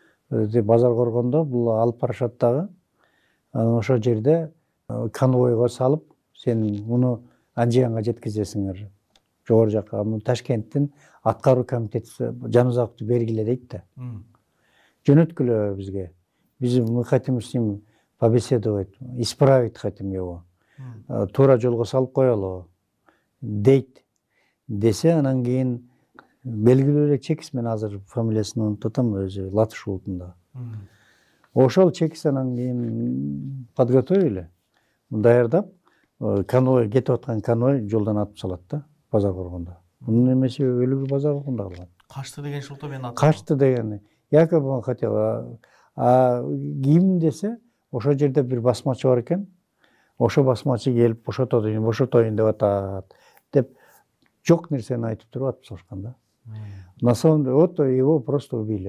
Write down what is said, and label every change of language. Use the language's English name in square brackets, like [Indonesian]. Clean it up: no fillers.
[Kyrgyz] Базар коргондо бул алып барышат дагы, анан ошо жерде конвойго салып, сен муну Анжиянга жеткизесиңер жогору жакка. Муну Ташкенттин аткаруу комитети Жаназаковду бергиле дейт да, жөнөткүлө бизге. Биз [Russian] мы хотим с ним побеседовать, исправить хотим его, [Kyrgyz] туура жолго салып коелу дейт. Десе анан кийин белгилүү эле чекист, мен азыр фамилиясын унутуп атам, өзү латыш улутунда. Ошол чекист анан кийин [Russian] подготовили, [Kyrgyz] даярдап, конвой кетип аткан конвой жолдон атып салат да базар коргондо. Мунун эмеси өлүгү базар коргондо калган. Качты деген шылтоо менен атты. Качты дегени [Russian] якобы он хотел. [Kyrgyz] А ким десе, ошол жерде бир басмачы бар экен, ошо басмачы келип бошотоюн, бошотоюн деп атат деп жок нерсени айтып туруп атып салышкан да. [Russian] На самом деле, вот его просто убили.